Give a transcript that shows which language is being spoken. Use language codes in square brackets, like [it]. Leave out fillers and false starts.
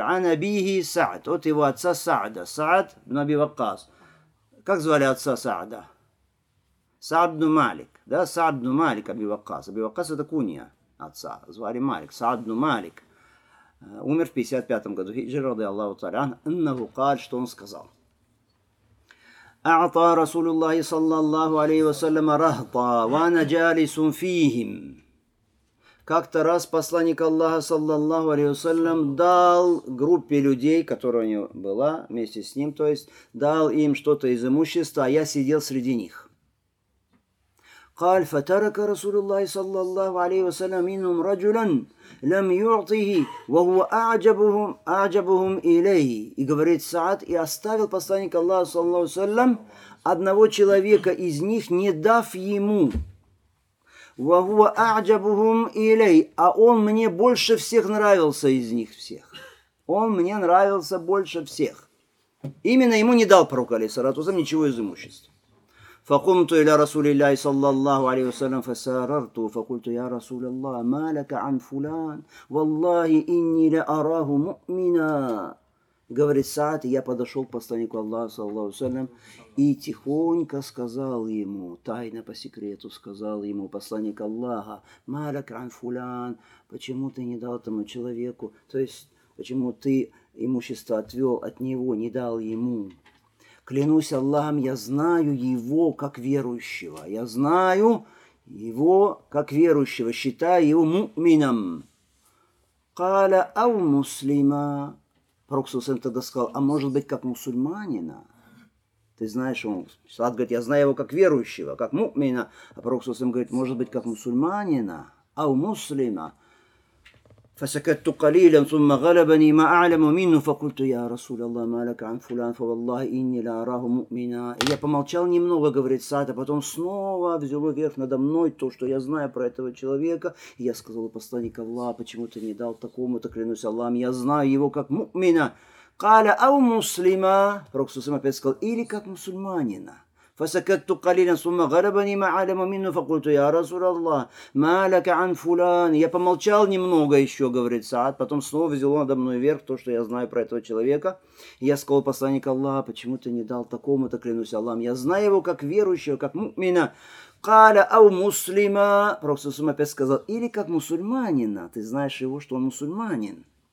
[ar] Ан абихи Саад. [ru] От его отца Саада. Саад ибн Аби Ваккас. Как звали отца Саада? Саад ибн Малик. Да, Саад ибн Малик Аби Ваккас. Аби Ваккас это кунья отца. Звали Малик. Саад ибн Малик. умер в 55 году хиджры, [ar] رضي الله تعالى عنه, иннаху قال, [ru] что он сказал. [ar] أعطى رسول الله صلى الله عليه وسلم رهطا وأنا جالس فيهم. [ru] Как-то раз посланник Аллаха, саллаллаху алейхи ва саллям, дал группе людей, которая у него была вместе с ним, то есть дал им что-то из имущества, а я сидел среди них. [ar] قال فترك رسول الله صلى الله عليه وسلم منهم رجلا لم يعطه وهو أعجبهم إليه. [ru] И говорит Саад, и оставил посланник Аллаха [ar] صلى الله عليه وسلم [ru] одного человека из них, не дав ему. [ar] وهو أعجبهم إليه. [ru] А он мне больше всех нравился из них всех. Он мне нравился больше всех. Именно ему не дал пророк алейхи саляту ва саллям ничего из имущества. [ar] فقمت إلى رسول الله صلى الله عليه وسلم فسررت فقلت يا رسول الله ما لك عن فلان والله إني لأراه مؤمنا. [ru] Говорит Саад, я подошел к посланнику Аллаха [ar] صلى الله عليه وسلم [ru] и тихонько сказал ему, тайно по секрету сказал ему посланник Аллаха, [ar] ما لك عن فلان, [ru] почему ты не дал этому человеку, то есть почему ты имущество отвел от него, не дал ему. Клянусь Аллахом, я знаю его как верующего. Я знаю его как верующего, считаю его мумином. [ar] Каля ау муслима. [ru] Пророк Сусен тогда сказал, а может быть, как мусульманина? Ты знаешь, он Саад говорит, я знаю его как верующего, как муминина. А пророк Сусен говорит, может быть, как мусульманина? [ar] Ау муслима. فسكت قليلا ثم غلبني ما اعلم منه فقلت يا رسول الله ما لك عن فلان فوالله اني لا اراه مؤمنا. [ru] Я помолчал немного, говорит Саад, а потом снова взяло верх надо мной то, что я знаю про этого человека, и я сказал посланник Аллаха, почему ты не дал такому, так клянусь Аллахом, я знаю его как мумина. [ar] قال او مسلما, [ru] пророк Сусама опять сказал, или как мусульманина. [ar] فسكت قليلا ثم غلبني ما علم منه فقلت يا رسول الله ما لك عن فلان. [ru] Я помолчал немного еще, говорит Саад, потом снова взял он надо мной вверх то, что я знаю про этого человека. Я сказал посланник Аллаха, почему ты не дал такому-то, клянусь Аллахом, я знаю его как верующего, как мумина. [ar] قال او مسلما, [ru] пророк Сусама опять сказал, или как мусульманина, ты знаешь его, что он мусульманин.